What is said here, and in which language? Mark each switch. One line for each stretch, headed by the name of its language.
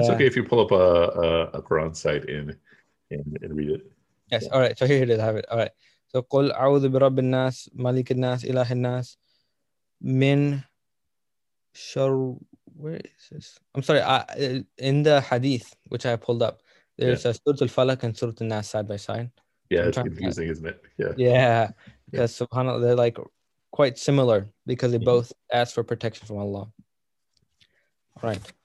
English: It's okay if you pull up a Quran site and read it. Yes, all right. So here it is. Have it. All right. So
Arabic: قل أعوذ برب الناس ملك الناس إله الناس من شر.
English: Where is this? I'm sorry. In the hadith, which I pulled up, there's a Surah Al-Falaq and Surah An-Nas side by side. Yeah, it's confusing, isn't it? Yeah. Because subhanAllah, they're like quite similar because they both ask for protection from Allah. All right.